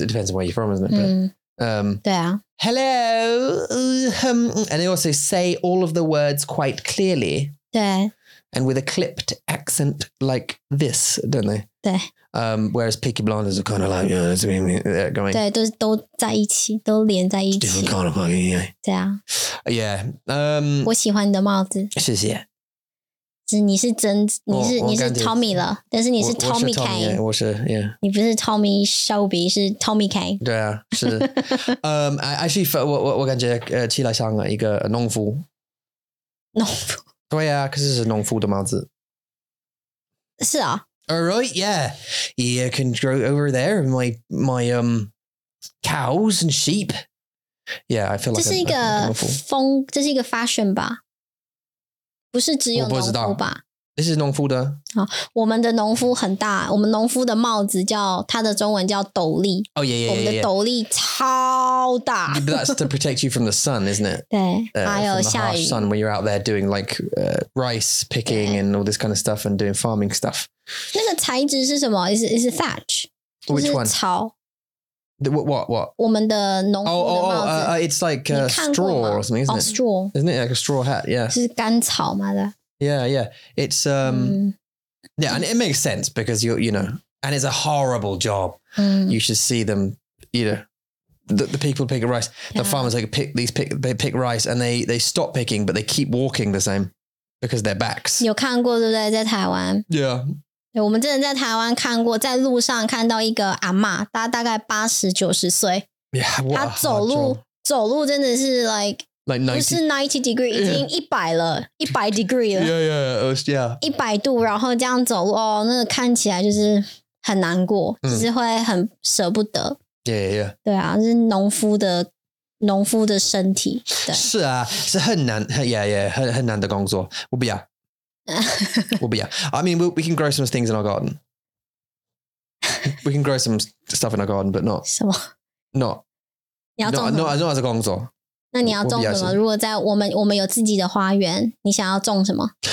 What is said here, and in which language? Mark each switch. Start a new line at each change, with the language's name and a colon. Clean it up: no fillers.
English: It depends on where you're from, isn't it? Yeah. Hello, and they also say all of the words quite clearly.
Chinese: 对
English: And with a clipped accent like this, don't they?
Chinese: 对
English: Whereas Peaky Blinders are kind of like, you know, they're going.
Chinese: 对，都在一起，都连在一起。
English: Different kind of fucking yeah.
Chinese: 对啊
English: Yeah.
Chinese: 我喜欢你的帽子。谢谢。你是真，你是 Tommy 了，但是你是 Tommy Kane。 Yeah, 我是 ，Yeah。你不是 Tommy Shelby， 是 Tommy Kane。对啊，是。
English: I actually felt
Chinese: 我感觉起来像一个农夫。农夫。对啊，可是是农夫的帽子。是啊。
English: All right, yeah, yeah, can grow over there my cows and sheep. Yeah, I feel like
Chinese: 这是一个风，这是一个 fashion 吧。不是只有农夫吧？这是农夫的。好，我们的农夫很大，我们农夫的帽子叫它的中文叫斗笠。哦耶耶耶！我们的斗笠超大。
English: But that's to protect you from the sun, isn't it?
Chinese: 对，还有下雨。
English: Sun when you're out there doing like rice picking and all this kind of stuff and doing farming stuff.
Chinese: 那个材质是什么？
English: Is it thatch? Which one?
Chinese: 草。
English: What?
Chinese: 我们的农夫的帽子。
English: Oh, it's like straw or something, isn't it? Oh, straw. Isn't it like a straw hat? Yeah.
Chinese: 是干草吗的？
English: Yeah. It's, yeah, and it makes sense because you know, and it's a horrible job. You should see them, you know, the people pick rice. The farmers, like, pick rice and they stop picking, but they keep walking the same because their backs.
Chinese: 有看过对不对？在台湾。
English: Yeah.
Chinese: 我们真的在台湾看过，在路上看到一个阿嬷，她大概80-90岁，她走路真的是
English: like 90,
Chinese: 不是90 degree， 已经100 degree 了
English: 100 degrees
Chinese: 然后这样走路，哦，那个看起来就是很难过，就是会很舍不得。
English: Yeah.
Chinese: 对啊，就是农夫的身体，对，是啊，是很难 很难的工作，我不要。
English: Well, but yeah, I mean, we can grow some things in our garden. We can grow some stuff in our garden, but not.
Chinese: 什么？
English: Not.
Chinese: 你要种什么？
English: Not as a
Chinese: 工作。那你要种什么？如果在我们有自己的花园，你想要种什么？